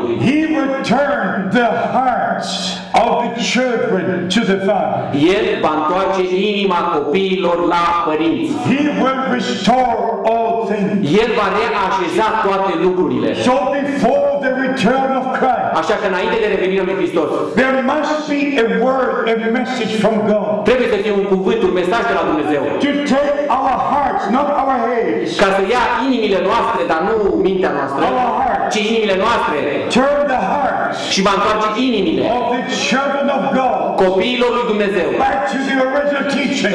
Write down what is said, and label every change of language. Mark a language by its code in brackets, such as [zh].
[en] He would turn the hearts of the children to the Father. [ro] El va întoarce inima copiilor la părinți. [en] He will restore all things. [ro] El va reașeza toate lucrurile. [en] So before the return of Christ. [ro] Așa că înainte de revenirea lui Hristos. [en] There must be a word, a message from God. [ro] Trebuie să fie un cuvânt, un mesaj de la Dumnezeu. [en] To take our hearts, not our heads. [ro] Ca să ia inimile noastre, dar nu mintea noastră. [en] Our hearts. [ro] întoarce inimile noastre. [en] Turn the hearts. [ro] Și va întoarce inimile. [en] Of the children of God. [ro] Copiilor lui Dumnezeu. [en] Back to the original teaching.